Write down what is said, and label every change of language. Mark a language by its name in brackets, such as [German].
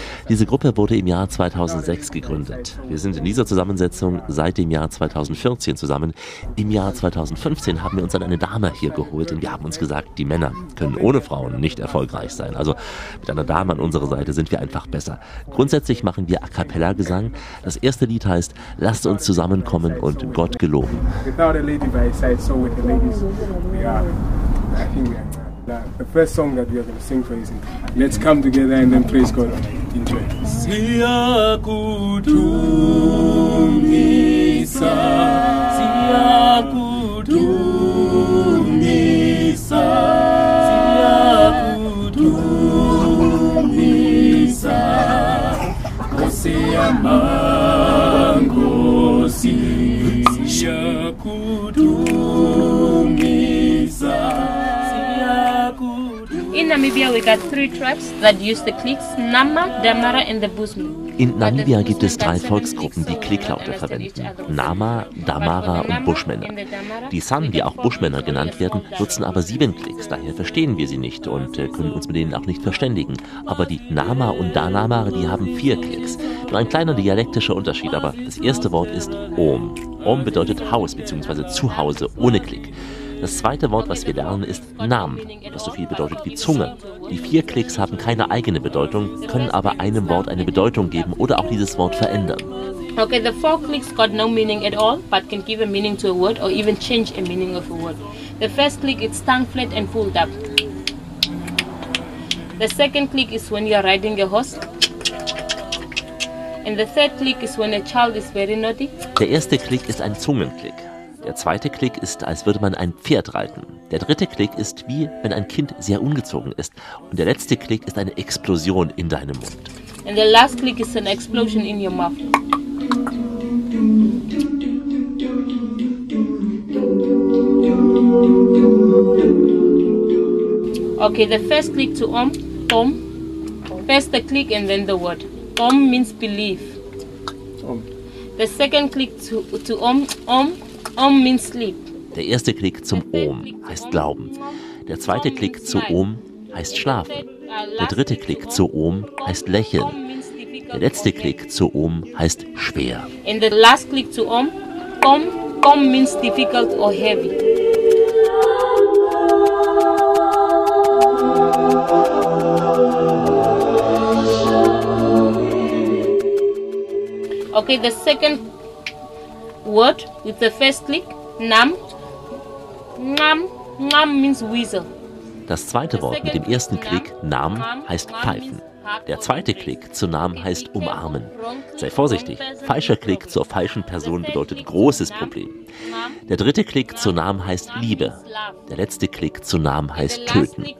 [German] Diese Gruppe wurde im Jahr 2006 gegründet. Wir sind in dieser Zusammensetzung seit dem Jahr 2014 zusammen. Im Jahr 2015 haben wir uns dann eine Dame hier geholt und wir haben uns gesagt, die Männer können ohne Frauen nicht erfolgreich sein. Also mit einer Dame an unserer Seite sind wir einfach besser. Grundsätzlich machen wir A Cappella Gesang. Das erste Lied heißt Lasst uns zusammenkommen und Gott gelobt. [English] Without a lady by his side, so with the ladies, we are, I think we are. The first song that we are going to sing for you is Let's Come Together and then Praise God. Enjoy. [Zulu] Siya kutumisa, siya kutumisa, siya kutumisa, o siya mango si. [English] In Namibia, we got three tribes that use the clicks: Nama, Damara, and the Busmi. [German] In Namibia gibt es drei Volksgruppen, die Klicklaute verwenden. Nama, Damara und Buschmänner. Die San, die auch Buschmänner genannt werden, nutzen aber 7 Klicks, daher verstehen wir sie nicht und können uns mit denen auch nicht verständigen. Aber die Nama und Danamara, die haben 4 Klicks. Nur ein kleiner dialektischer Unterschied, aber das erste Wort ist Om. Om bedeutet Haus bzw. Zuhause ohne Klick. Das zweite Wort, was wir lernen, ist Nam, was so viel bedeutet wie Zunge. Die 4 Klicks haben keine eigene Bedeutung, können aber einem Wort eine Bedeutung geben oder auch dieses Wort verändern. [English] Okay, the 4 clicks got no meaning at all, but can give a meaning to a word or even change a meaning of a word. The first click is tongue flat and pulled up. The second click is when you are riding a horse. And the third click is when a child is very naughty. [German] Der erste Klick ist ein Zungenklick. Der zweite Klick ist, als würde man ein Pferd reiten. Der dritte Klick ist, wie wenn ein Kind sehr ungezogen ist. Und der letzte Klick ist eine Explosion in deinem Mund. [English] And the last click is an explosion in your mouth. Okay, the first click to Om, Om. First the click and then the word. Om means belief. Om. The second click to Om, Om. Om means sleep. [German] Der erste Klick zum Om heißt Glauben. Der zweite Klick zu Om heißt Schlafen. Der dritte Klick zu Om heißt Lächeln. Der letzte Klick zu Om heißt Schwer. [English] And the last click to Om, Om, Om means difficult or heavy. Okay, the second word with the first click, nam. Nam, nam means whistle. [German] Das zweite Wort mit dem ersten Klick, nam, heißt pfeifen. Der zweite Klick zu nam heißt umarmen. Sei vorsichtig, falscher Klick zur falschen Person bedeutet großes Problem. Der dritte Klick zu nam heißt Liebe. Der letzte Klick zu nam heißt töten.